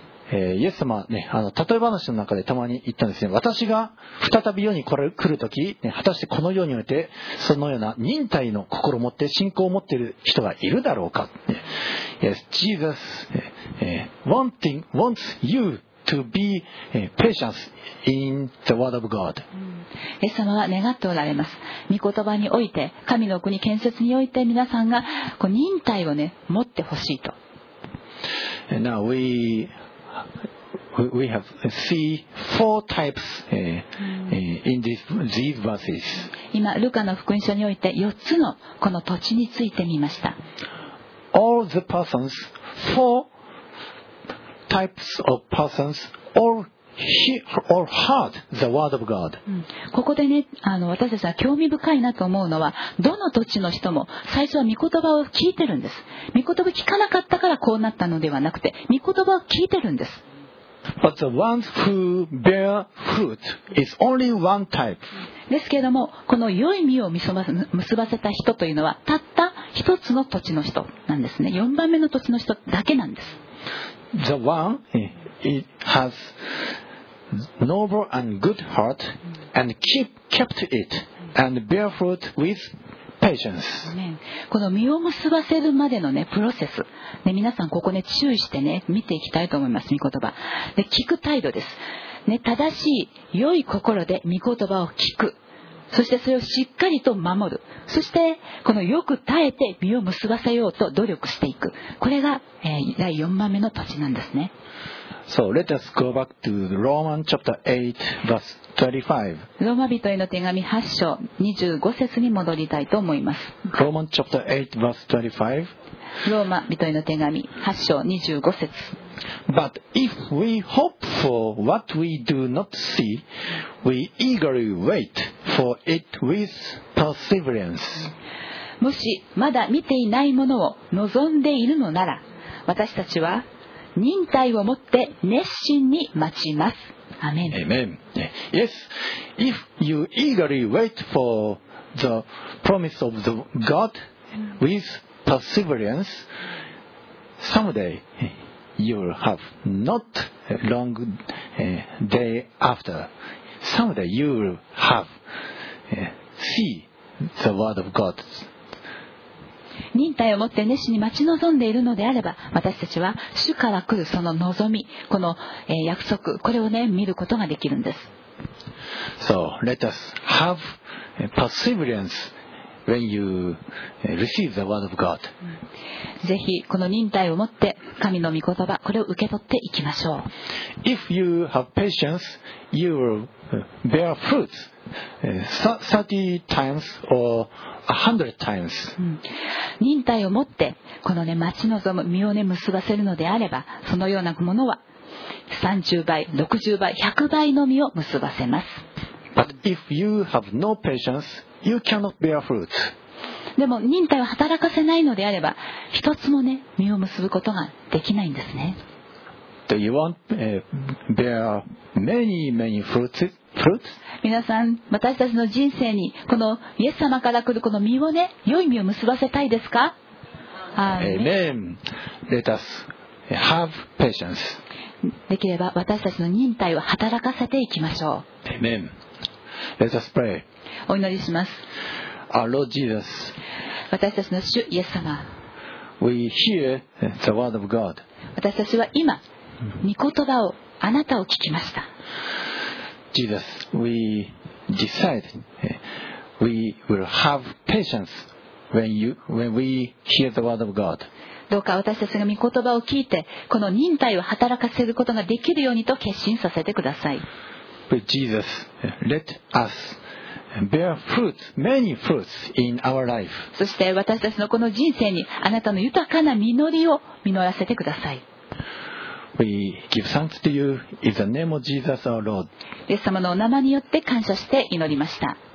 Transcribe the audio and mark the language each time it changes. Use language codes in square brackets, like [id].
[ja] イエス様ね、例え話の中でたまに言ったんですね。私が再び世に来るとき、ね、果たしてこの世においてそのような忍耐の心を持って信仰を持っている人がいるだろうか。 [en] ね、Yes, Jesus wants you to be patient in the word of God. [ja] イエス様は願っておられます。御言葉において、神の国建設において皆さんが忍耐をね持ってほしいと。 [en] Now we have see four types in these verses. [ja] 今ルカの福音書において4つのこの土地についてみました。 [en] All the persons, four types of persons, all heard the word of God. [ja] ここでね、私たちは興味深いなと思うのは、どの土地の人も最初は御言葉を聞いてるんです。御言葉を聞かなかったからこうなったのではなくて、御言葉を聞いてるんです。 [en] But the ones who bear fruit is only one type. [ja] ですけれども、この良い実を結ばせた人というのは、たった一つの土地の人なんですね。 4番目の土地の人だけなんです。 [en] The one has noble and good heart and kept it and bear fruit with patience. [ja] ね、この実を結ばせるまでの、ね、プロセス、ね、皆さんここね注意してね見ていきたいと思います。御言葉で聞く態度です、ね、正しい良い心で御言葉を聞く、そしてそれをしっかりと守る、そしてこのよく耐えて実を結ばせようと努力していく、これが、第4番目の土地なんですね。 [en] So let us go back to Romans chapter 8, verse 25. [ja] ローマ人への手紙8章25節に戻りたいと思います。 [en] Romans chapter 8, verse 25. [ja] ローマ人への手紙8章25節。 [en] But if we hope for what we do not see, we eagerly wait for it with perseverance. [ja] もしまだ見ていないものを望んでいるのなら、私たちは忍耐をもって熱心に待ちます。アメン。 [en] Amen. Yes, if you eagerly wait for the promise of the God with perseverance, someday you will have not long day after. Someday you will have see the word of God. [ja] 忍耐をもって熱心に待ち望んでいるのであれば、私たちは主から来るその望み、この約束、これをね見ることができるんです。 [en] So let us have perseverance when you receive the word of God. [ja] ぜひこの忍耐をもって神の御言葉、これを受け取っていきましょう。 [en] If you have patience, you will bear fruit. 30 times or 100 times. [ja] 忍耐を持ってこのね待ち望む実をね結ばせるのであれば、そのようなものは30倍、60倍、100倍の実を結ばせます。 [en] But if you have no patience, you cannot bear fruit. [ja] でも忍耐を働かせないのであれば、一つもね実を結ぶことができないんですね。 [en] Do you want bear many, many fruits? [ja] 皆さん、私たちの人生にこのイエス様から来るこの実をね、良い実を結ばせたいですか？ [en] アーメン。Amen. Let us have patience. [ja] できれば私たちの忍耐を働かせていきましょう。 [en] Amen. Let us pray. [ja] お祈りします。 [en] Our Lord Jesus, [ja] 私たちの主イエス様、 [en] We hear the word of God. [ja] 私たちは今御言葉を、あなたを聞きました。 [en] Jesus, we decide we will have patience when we hear the word of God. [ja] どうか私たちが御言葉を聞いて、この忍耐を働かせることができるようにと決心させてください。 [en] But Jesus, let us bear fruit, many fruits in our life. [ja] そして私たちのこの人生にあなたの豊かな実りを実らせてください。 [en] We give thanks to you in the name of Jesus our Lord. [ja] イエス様のお名前によって感謝して祈りました。